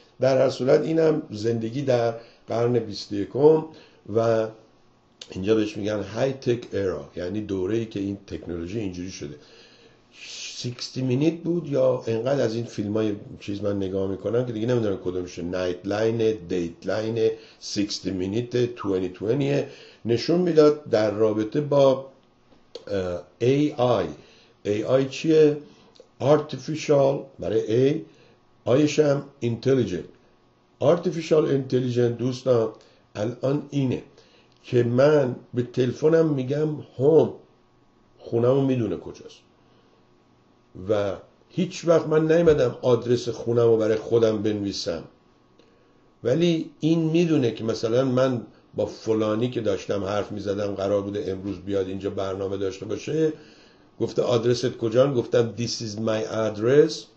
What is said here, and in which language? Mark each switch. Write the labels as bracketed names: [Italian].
[Persian] در هر صورت اینم زندگی در قرن 21 و اینجا بهش میگن های تک ایرا، یعنی دوره‌ای که این تکنولوژی اینجوری شده. 60 مینیت بود یا انقدر از این فیلمای چیز من نگاه میکنم که دیگه نمیدونم کدومشه، نایت لاین، دیت لاین، 60 مینیت 2020 نشون میداد در رابطه با AI. AI چیه؟ Artificial برای A، آیشم Intelligent. Artificial Intelligent دوستان الان اینه که من به تلفنم میگم هوم، خونمو میدونه کجاست و هیچ وقت من نیومدم آدرس خونمو برای خودم بنویسم، ولی این میدونه که مثلا من با فلانی که داشتم حرف می زدم قرار بوده امروز بیاد اینجا برنامه داشته باشه، گفته آدرست کجان، گفتم [English] this is my address.